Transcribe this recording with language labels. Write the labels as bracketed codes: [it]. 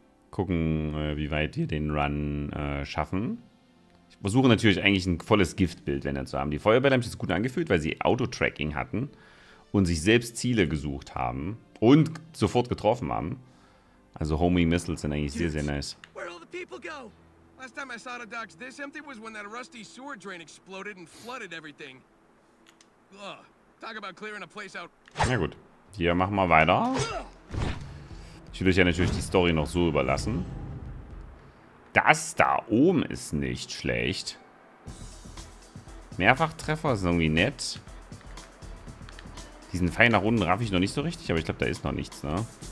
[de] Gucken, wie weit wir den Run schaffen. Ich versuche natürlich eigentlich ein volles Giftbild, wenn er zu haben. Die Feuerbälle haben sich jetzt gut angefühlt, weil sie Auto-Tracking hatten und sich selbst Ziele gesucht haben und sofort getroffen haben. Also Homing Missiles sind eigentlich sehr, sehr nice. [en] Where all the people go? Last time I saw the docks this empty was when that rusty sewer drain exploded and flooded everything. Ugh. Talk about clearing a place out. [de] Na gut. Hier machen wir weiter. Ich will euch ja natürlich die Story noch so überlassen. Das da oben ist nicht schlecht. Mehrfachtreffer ist irgendwie nett. Diesen Pfeil nach unten raff ich noch nicht so richtig, aber ich glaube, da ist noch nichts, ne?